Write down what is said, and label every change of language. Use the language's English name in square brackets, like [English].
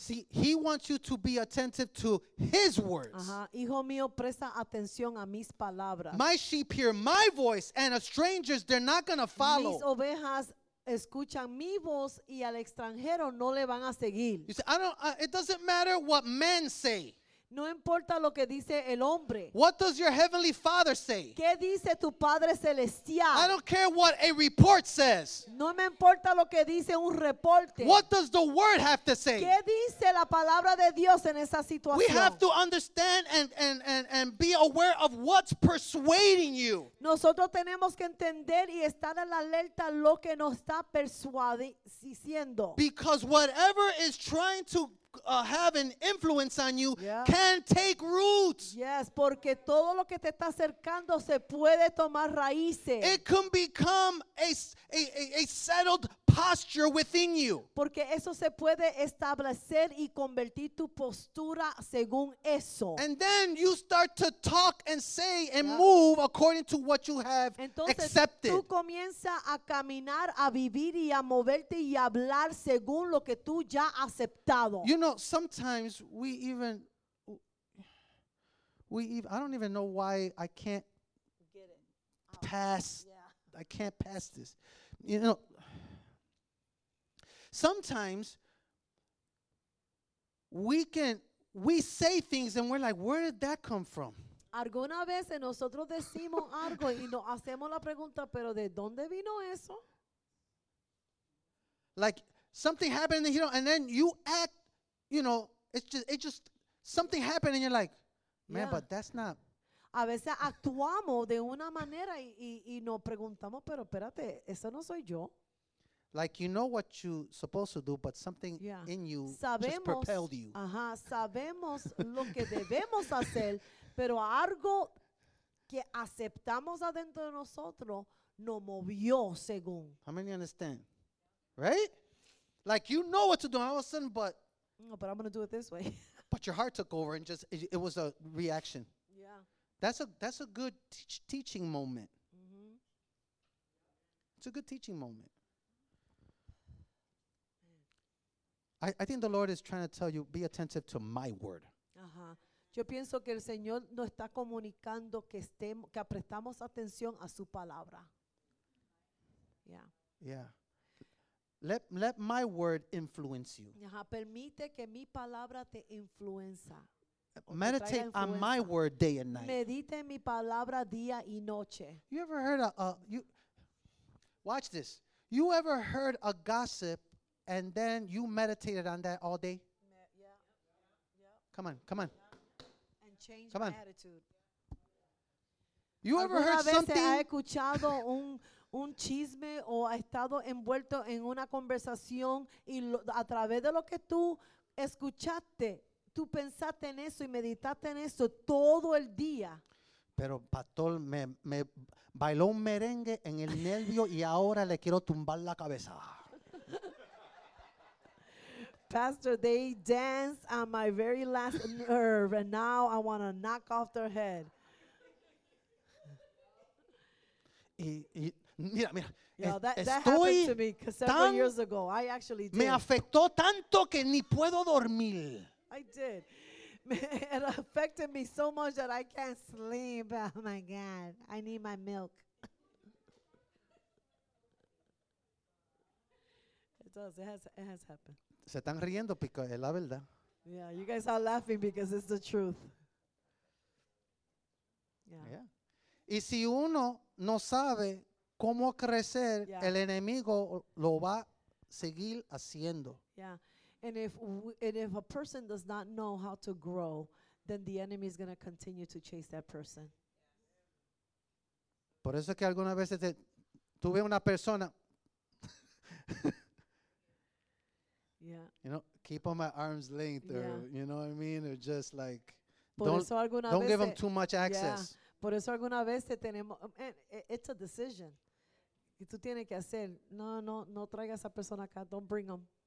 [English] See, he wants you to be attentive to his words. [Spanish] Hijo mío, presta atención a mis palabras. [English] My sheep hear my voice, and a strangers they're not going to follow. [Spanish] Mis ovejas escuchan mi voz y al extranjero no le van a seguir. [English] You say, it doesn't matter what men say. [Spanish] No importa lo que dice el hombre. [English] What does your heavenly father say? [Spanish] ¿Qué dice tu padre celestial? [English] I don't care what a report says. [Spanish] No me importa lo que dice un reporte. [English] What does the word have to say? [Spanish] ¿Qué dice la palabra de Dios en esa situación? [English] We have to understand and be aware of what's persuading you. [Spanish] Nosotros tenemos que entender y estar a la alerta lo que nos está persuadiendo. [English] Because whatever is trying to have an influence on you, yeah, can take roots. [Spanish] Yes, porque todo lo que te está acercando se puede tomar raíces. [English] It can become a settled posture within you. [Spanish] Porque eso se puede establecer y convertir tu postura según eso. [English] And then you start to talk and say and, yeah, move according to what you have. [Spanish] Entonces, [English] accepted. [Spanish] Tú comienzas a caminar, a vivir y a moverte y a hablar según lo que tú ya has aceptado. [English] You know, sometimes we even I don't even know why I can't get it pass. Yeah. I can't pass this. You know, sometimes we say things and we're like, where did that come from? [Spanish] Alguna vez nosotros decimos algo y nos hacemos la pregunta, pero ¿de dónde vino eso? [English] Like something happened, you know, and then you act, you know, it's just something happened and you're like, man, yeah, but that's not. [Spanish] A veces actuamos de una manera y nos preguntamos, pero espérate, eso no soy yo. [English] Like, you know what you're supposed to do, but something, yeah, in you, [Spanish] sabemos, [English] just propelled you. [Spanish] Sabemos lo que debemos hacer, pero algo que aceptamos adentro de nosotros nos movió según. [English] How many understand? Right? Like, you know what to do all of a sudden, but. No, but I'm going to do it this way. But your heart took over and just, it was a reaction. Yeah. That's a good teaching moment. Mm-hmm. It's a good teaching moment. I think the Lord is trying to tell you, be attentive to my word. [Spanish] Yo pienso que el Señor nos está comunicando que prestamos atención a su palabra. [English] Yeah. Yeah. Let my word influence you. [Spanish] Permite que mi palabra te influenza. [English] Meditate on my word day and night. [Spanish] Medite mi palabra día y noche. [English] You ever heard watch this. You ever heard a gossip and then you meditated on that all day? Yeah. Yeah. Come on, come on. Yeah. And change my attitude. You ever heard something? [Spanish] ¿Has escuchado un chisme o has estado envuelto en una conversación y a través de lo que tú escuchaste, tú pensaste en eso y meditaste en eso todo el día? Pero pastor, me bailó un merengue en el nervio y ahora le quiero tumbar la cabeza. [English] Pastor, they danced on my very last nerve, and now I want to knock off their head. [Spanish] Y mira, mira, [English] yeah, [Spanish] Estoy [English] that happened to me several years ago. I actually did. [Spanish] Me afectó tanto que ni puedo dormir. [English] I did. It affected me so much that I can't sleep. Oh my God. I need my milk. It does. It has happened. [Spanish] Se están riendo porque es la verdad. [English] Yeah, you guys are laughing because it's the truth. [Spanish] Y si uno no sabe cómo crecer, el enemigo lo va a seguir haciendo. [English] Yeah. And if a person does not know how to grow, then the enemy is going to continue to chase that person. [Spanish] Por eso es que algunas veces tuve una persona. [English] Yeah. You know, keep on my arm's length, or you know what I mean, or just like don't give them too much access. [Spanish] Yeah. Por eso alguna vez te tenemos, [English] it's a decision. [Spanish] Y tú tienes que hacer, no traiga a esa persona acá, [English] don't bring them.